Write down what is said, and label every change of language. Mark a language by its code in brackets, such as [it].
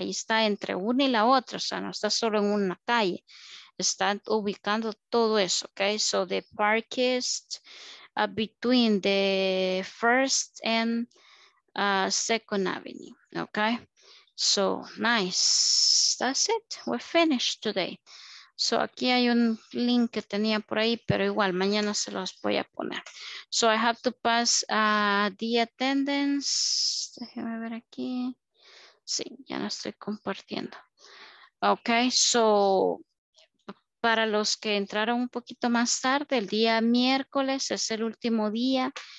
[es] Ahí está entre una y la otra, o sea, no está solo en una calle. Está ubicando todo eso, okay? [en] So the park is between the first and second avenue, okay? So nice, that's it, we're finished today. [es] So aquí hay un link que tenía por ahí, pero igual mañana se los voy a poner. [en] So I have to pass the attendance, [es] déjeme ver aquí. Sí, ya no estoy compartiendo. Okay, so para los que entraron un poquito más tarde, el día miércoles es el último día.